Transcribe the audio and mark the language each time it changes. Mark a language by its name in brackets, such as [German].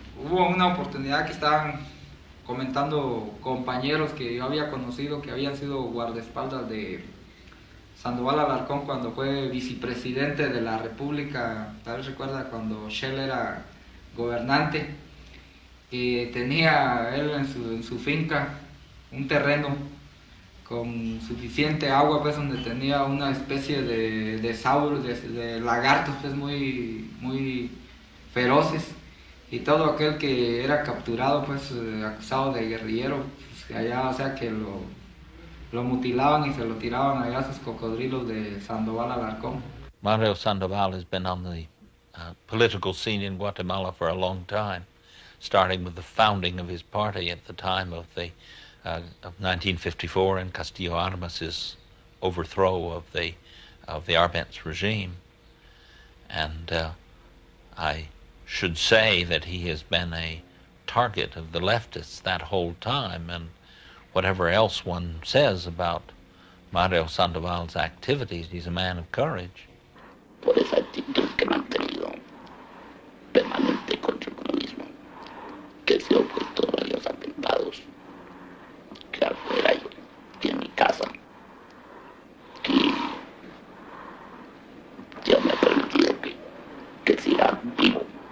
[Spanish] Una oportunidad que estaban comentando compañeros que yo había conocido que habían sido guardaespaldas de Sandoval Alarcón cuando fue vicepresidente de la República, tal vez recuerda cuando Shell era gobernante, que tenía él en su finca un terreno con suficiente agua, pues donde tenía una especie de sauros, de lagartos, pues muy, muy feroces. Y todo aquel que era capturado, pues, acusado de guerrillero, pues, allá, o sea, que lo mutilaban y se lo tiraban allá a sus cocodrilos de Sandoval Alarcón. [English] Mario Sandoval has been on the political scene in Guatemala for a long time, starting with the founding of his party at the time of the of 1954 and Castillo Armas' overthrow of the Arbenz regime. And I should say that he has been a target of the leftists that whole time, and whatever else one says about Mario Sandoval's activities, he's a man of courage. [Spanish] Por esa actitud que ha mantenido permanente contra el comunismo, que se ha opuesto a los atentados que afuera y en mi casa, que Dios me ha permitido que siga vivo.